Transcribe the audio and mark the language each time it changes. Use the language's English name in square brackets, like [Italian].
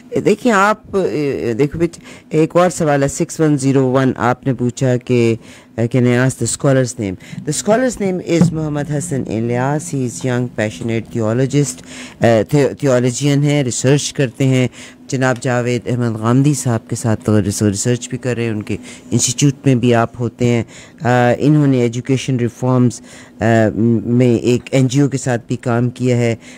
[Urdu] دیکھیں آپ, دیکھو بچ, ایک اور سوال ہے 6101, آپ نے پوچھا کہ [English] Can I ask the scholar's name. The scholar's name is Muhammad Hasan Ilyas, he is young passionate theologist, [Urdu] تھیولوجین ہیں, ریسرچ کرتے ہیں. جناب جاوید احمد غامدی صاحب کے ساتھ ریسرچ بھی کر رہے ہیں, ان کے انسٹیٹیوٹ میں بھی آپ ہوتے ہیں. انہوں نے ایجوکیشن ریفارمز میں ایک این جی او کے ساتھ بھی کام کیا ہے.